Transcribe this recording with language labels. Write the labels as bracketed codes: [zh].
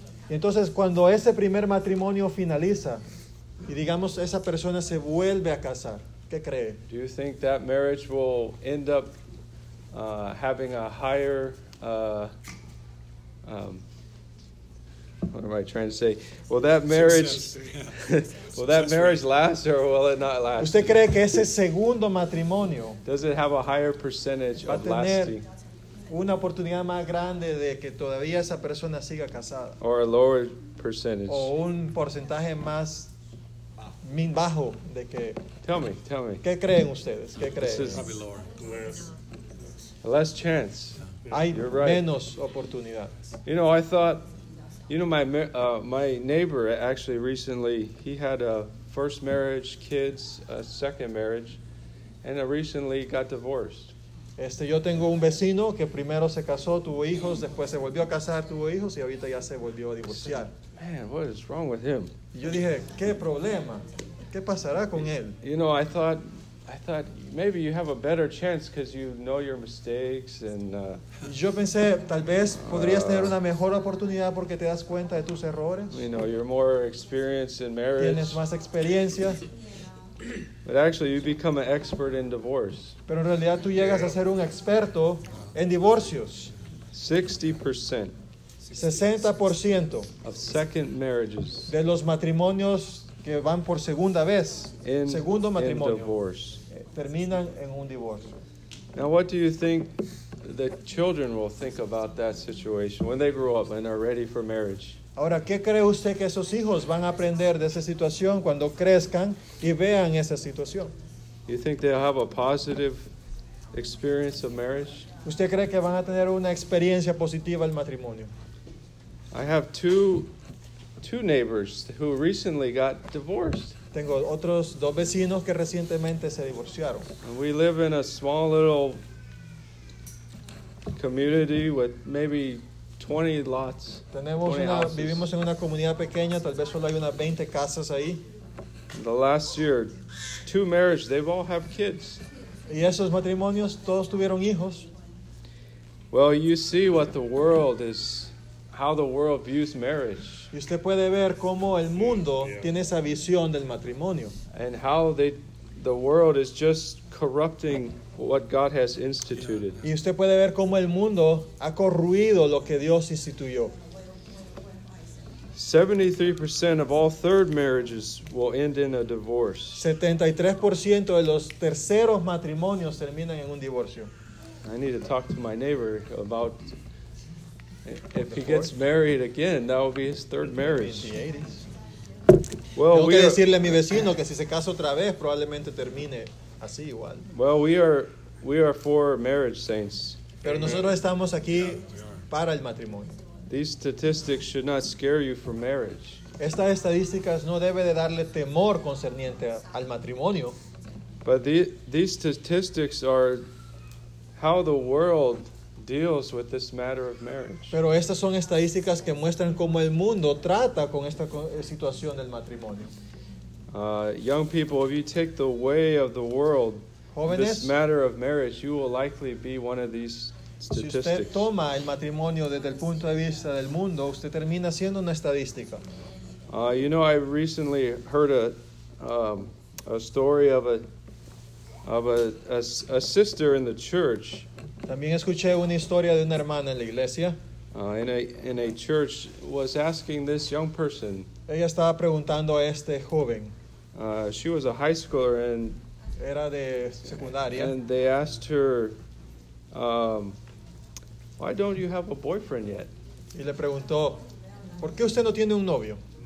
[es] Entonces, cuando ese primer matrimonio finaliza y digamos esa persona se vuelve a casar, ¿qué cree? [en] Do you think that marriage will end up having a higher what am I trying to say? Will that marriage will that marriage last or will it not last? [es] ¿Usted cree que ese segundo matrimonio [en] does it have a higher percentage [es] va [en] of lasting? [es] Tener una oportunidad más grande de que todavía esa persona siga casada? [en] Or a lower percentage? [es] O un porcentaje más bajo de que [en] Tell me. [es] ¿Qué creen ustedes? ¿Qué creen? [en] This is probably lower. Less. Less chance. [es] Hay [en] you're right. [es] Menos oportunidad. [en] You know, I thought, you know, my neighbor actually recently, he had a first marriage, kids, a second marriage, and recently got divorced. [es] Yo tengo un vecino que primero se casó, tuvo hijos, después se volvió a casar, tuvo hijos, y ahorita ya se volvió a divorciar. [en] Man, what is wrong with him? [es] Yo dije, ¿qué problema? ¿Qué pasará con él? [en] You know, I thought maybe you have a better chance because you know your mistakes and. [es] Yo pensé tal vez podrías tener una mejor oportunidad porque te das cuenta de tus errores. [en] You know you're more experienced in marriage. [es] Tienes más experiencia. [en] But actually, you become an expert in divorce. [es] Pero en realidad tú llegas a ser un experto en divorcios. [en] 60%. [es] 60% [en] of second marriages. [es] De los matrimonios que van por segunda vez. [en] In, [es] segundo matrimonio. [en] In divorce. [es] Terminan en un divorcio. [en] Now, what do you think the children will think about that situation when they grow up and are ready for marriage? [es] Ahora, ¿qué cree usted que esos hijos van a aprender de esa situación cuando crezcan y vean esa situación? [en] You think they'll have a positive experience of marriage? [es] ¿Usted cree que van a tener una experiencia positiva del matrimonio? [en] I have two neighbors who recently got divorced. [es] Tengo otros dos vecinos que recientemente se divorciaron. [en] And we live in a small little community with maybe 20 lots. [es] Tenemos 20 una, [en] houses. [es] Vivimos en una comunidad pequeña, tal vez solo hay unas 20 casas ahí. [en] The last year, two marriages, they've all have kids. [es] Y esos matrimonios, todos tuvieron hijos. [en] Well, you see what the world is, how the world views marriage. [es] Y usted puede ver cómo el mundo tiene esa visión del matrimonio. [en] And how the world is just corrupting what God has instituted. [es] Y usted puede ver cómo el mundo ha corruido lo que Dios instituyó. [en] 73% of all third marriages will end in a divorce. [es] 73% de los terceros matrimonios terminan en un divorcio. [en] I need to talk to my neighbor about if he gets married again, that will be his third marriage. [es] Well, tengo que decirle a mi vecino que si se casa otra vez, probablemente termine así igual. [en] Well, we are for marriage, saints. [es] Pero nosotros estamos aquí para el matrimonio. [en] These statistics should not scare you from marriage. [es] Estas estadísticas no deben de darle temor concerniente al matrimonio. [en] But these statistics are how the world deals with this matter of marriage. [es] Pero estas son estadísticas que muestran cómo el mundo trata con esta situación del matrimonio. [en] Young people, if you take the way of the world, [es] jóvenes, [en] this matter of marriage, you will likely be one of these statistics. [es] Si usted toma el matrimonio desde el punto de vista del mundo, usted termina siendo una estadística. [en] You know, I recently heard a story of a sister in the church. [es] También escuché una historia de una hermana en la iglesia. [en] In a church was asking this young person. [es] Ella estaba preguntando a este joven. [en] She was a high schooler and [es] era de secundaria. [en] And they asked her, why don't you have a boyfriend yet? [es] Y le preguntó, ¿por qué usted no tiene un novio?